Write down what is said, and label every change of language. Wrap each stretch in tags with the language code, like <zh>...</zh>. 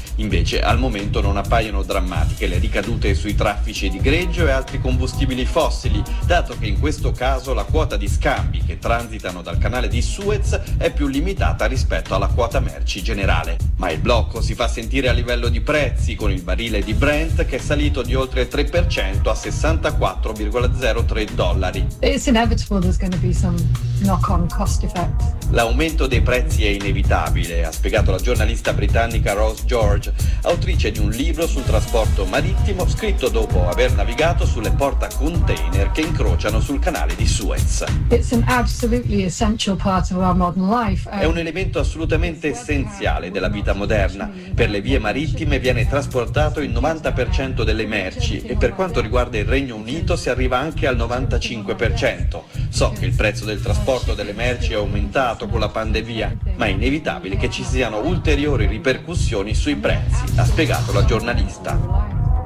<it>Invece al momento non appaiono drammatiche le ricadute sui traffici di greggio e altri combustibili fossili, dato che in questo caso la quota di scambi che transitano dal canale di Suez è più limitata rispetto alla quota merci generale. Ma il blocco si fa sentire a livello di prezzi, con il barile di Brent che è salito di oltre 3% a $64.03.</it> <en>It's inevitable there's going to be some knock-on cost effect.</en> <it>L'aumento dei prezzi è inevitabile, ha spiegato la giornalista britannica Rose George, autrice di un libro sul trasporto marittimo scritto dopo aver navigato sulle porta container che incrociano sul canale di Suez.</it> <en>It's an absolutely essential part of our modern life.</en> <it>È un elemento assolutamente essenziale della vita moderna. Per le vie marittime viene trasportato il 90% delle merci e per quanto riguarda il Regno Unito si arriva anche al 95%. So che il prezzo del trasporto delle merci è aumentato con la pandemia, ma è inevitabile che ci siano ulteriori ripercussioni sui prezzi, ha spiegato la giornalista.</it>